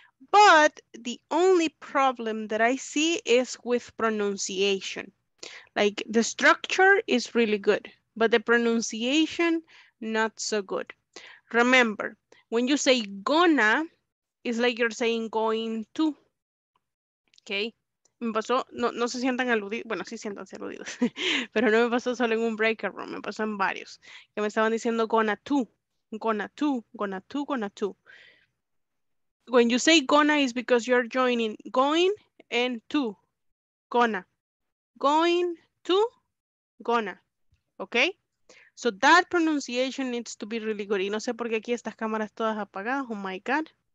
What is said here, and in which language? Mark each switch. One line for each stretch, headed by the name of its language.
English: But the only problem that I see is with pronunciation. Like the structure is really good, but the pronunciation not so good. Remember, when you say gonna, it's like you're saying going to. Okay.
Spanish: me pasó, no, no se sientan aludidos, bueno, sí siéntanse aludidos, pero no me pasó solo en un breaker room, me pasó en varios, que me estaban diciendo gonna to, gonna to, gonna to, gonna to.
English: When you say gonna is because you're joining going and to, gonna, going to, gonna, okay? So that pronunciation needs to be really good.
Spanish: Y no sé por qué aquí estas cámaras todas apagadas,
English: oh my God.